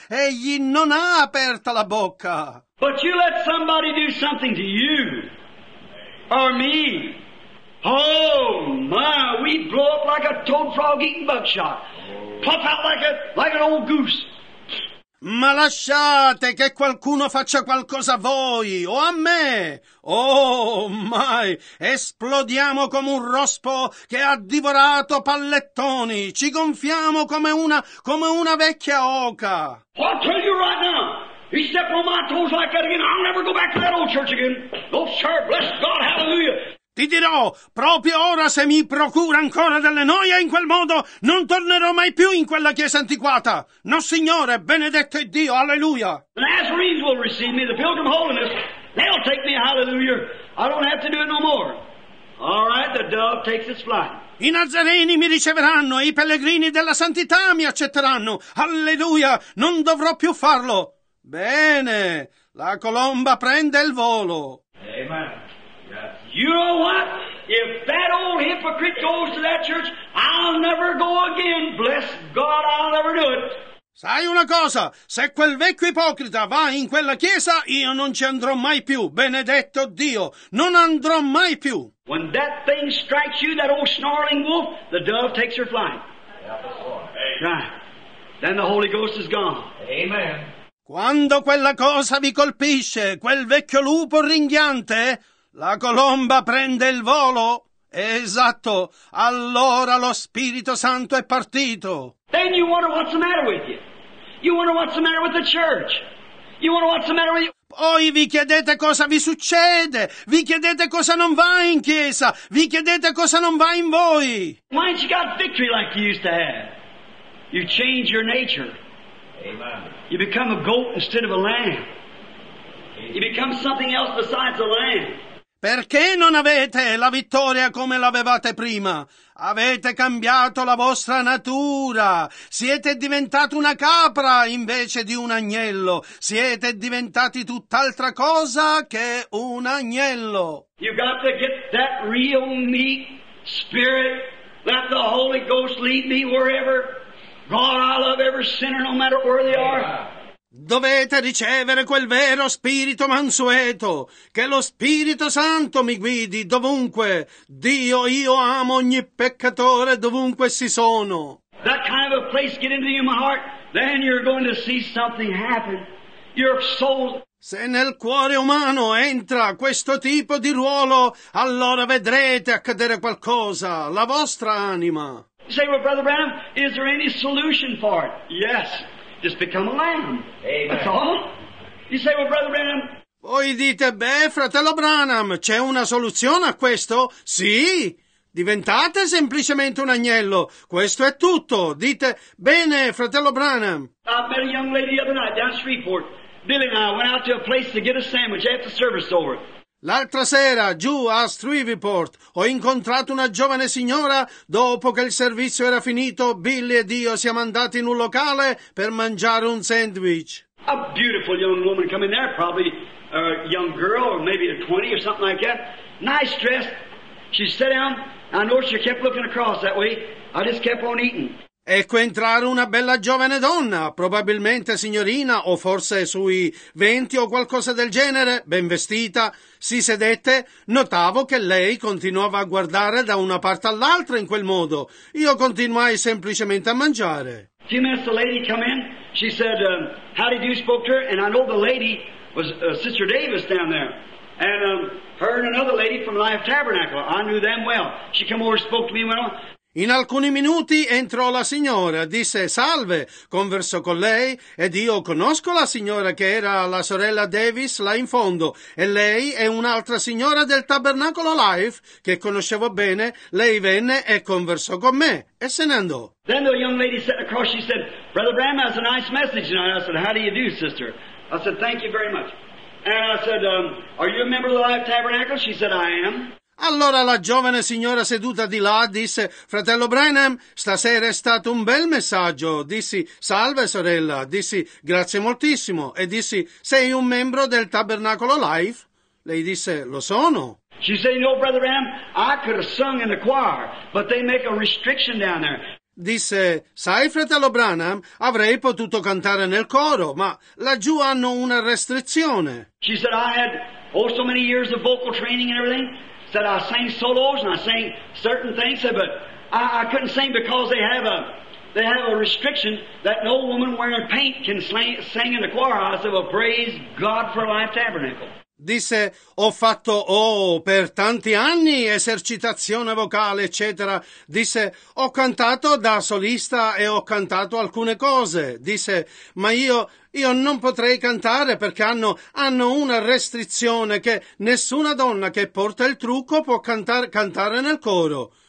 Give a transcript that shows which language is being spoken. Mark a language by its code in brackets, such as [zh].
[it] Egli non ha aperta la bocca. [en] But you let somebody do something to you or me. Oh my, we blow up like a toad frog eating buckshot. Pop out like an old goose. [it] Ma lasciate che qualcuno faccia qualcosa a voi o a me. Oh mai, esplodiamo come un rospo che ha divorato pallettoni. Ci gonfiamo come una vecchia oca. [en] I'll tell you right now. You step on my toes like that again, I'll never go back to that old church again. No, sir, bless God, hallelujah. [it] Ti dirò, proprio ora se mi procura ancora delle noie in quel modo, non tornerò mai più in quella chiesa antiquata. No, Signore, benedetto è Dio, alleluia. [en] The Nazarenes will receive me, the Pilgrim Holiness. They'll take me, hallelujah. I don't have to do it no more. All right, the dove takes its flight. [it] I Nazareni mi riceveranno, i pellegrini della santità mi accetteranno. Alleluia, non dovrò più farlo. Bene, la colomba prende il volo. [en] Amen. You know what? If that old hypocrite goes to that church, I'll never go again. Bless God, I'll never do it. [it] Sai una cosa? Se quel vecchio ipocrita va in quella chiesa, io non ci andrò mai più. Benedetto Dio, non andrò mai più. [en] When that thing strikes you, that old snarling wolf, the dove takes her flight. Right. Then the Holy Ghost is gone. Amen. [it] Quando quella cosa vi colpisce, quel vecchio lupo ringhiante, la colomba prende il volo? Esatto. Allora lo Spirito Santo è partito. [en] Then you wonder what's the matter with you. You wonder what's the matter with the church. You wonder what's the matter with you. [it] Poi vi chiedete cosa vi succede. Vi chiedete cosa non va in chiesa. Vi chiedete cosa non va in voi. [en] Why ain't you got victory like you used to have? You change your nature. Amen. You become a goat instead of a lamb. You become something else besides a lamb. [it] Perché non avete la vittoria come l'avevate prima? Avete cambiato la vostra natura. Siete diventati una capra invece di un agnello. Siete diventati tutt'altra cosa che un agnello. [en] You've got to get that real meek spirit. Let the Holy Ghost lead me wherever. God, I love every sinner no matter where they are. [it] Dovete ricevere quel vero spirito mansueto, che lo Spirito Santo mi guidi dovunque. Dio, io amo ogni peccatore dovunque si sono. [en] That kind of a place get into you in my heart, then you're going to see something happen. Your soul. [it] Se nel cuore umano entra questo tipo di ruolo, allora vedrete accadere qualcosa, la vostra anima. [en] You say, well, Brother Branham, is there any solution for it? Yes. Just become a lamb. Amen. That's all. You say, well, Brother Branham. [it] Voi dite, beh, fratello Branham, c'è una soluzione a questo? Sì. Diventate semplicemente un agnello. Questo è tutto. Dite, bene, fratello Branham. [en] I met a young lady the other night down Shreveport. Billy and I went out to a place to get a sandwich after service over. [it] L'altra sera, giù a Shreveport, ho incontrato una giovane signora. Dopo che il servizio era finito, Billy ed io siamo andati in un locale per mangiare un sandwich. [en] A beautiful young woman come in there, probably a young girl, or maybe a 20 or something like that. Nice dress. She sat down. I noticed she kept looking across that way. I just kept on eating. [it] Ecco entrare una bella giovane donna, probabilmente signorina o forse sui 20 o qualcosa del genere, ben vestita. Si sedette, notavo che lei continuava a guardare da una parte all'altra in quel modo. Io continuai semplicemente a mangiare. [en] She met the lady come in. She said, how did you spoke to her? And I know the lady was Sister Davis down there. And her and another lady from Life Tabernacle, I knew them well. She came over and spoke to me and went on. [it] In alcuni minuti entrò la signora, disse salve, conversò con lei, ed io conosco la signora che era la sorella Davis là in fondo, e lei è un'altra signora del Tabernacolo Life che conoscevo bene, lei venne e conversò con me, e se ne andò. [en] Then the young lady sat across, she said, Brother Branham has a nice message, and I said, how do you do, sister? I said, thank you very much. And I said, are you a member of the Life Tabernacle? She said, I am. [it] Allora la giovane signora seduta di là disse, fratello Branham, stasera è stato un bel messaggio. Dissi, salve sorella. Dissi, grazie moltissimo. E dissi, sei un membro del Tabernacolo Life? Lei disse, lo sono. [en] She said, no, brother Branham, I could have sung in the choir, but they make a restriction down there. [it] Disse, sai fratello Branham, avrei potuto cantare nel coro, ma laggiù hanno una restrizione. [en] She said, I had oh so many years of vocal training and everything. That I sang solos and I sang certain things, but I couldn't sing because they have a restriction that no woman wearing paint can sing in the choir. I said, well, praise God for Life Tabernacle. [it] Disse, ho fatto, per tanti anni esercitazione vocale, eccetera. Disse, ho cantato da solista e ho cantato alcune cose. Disse, ma io non potrei cantare perché hanno una restrizione che nessuna donna che porta il trucco può cantare nel coro.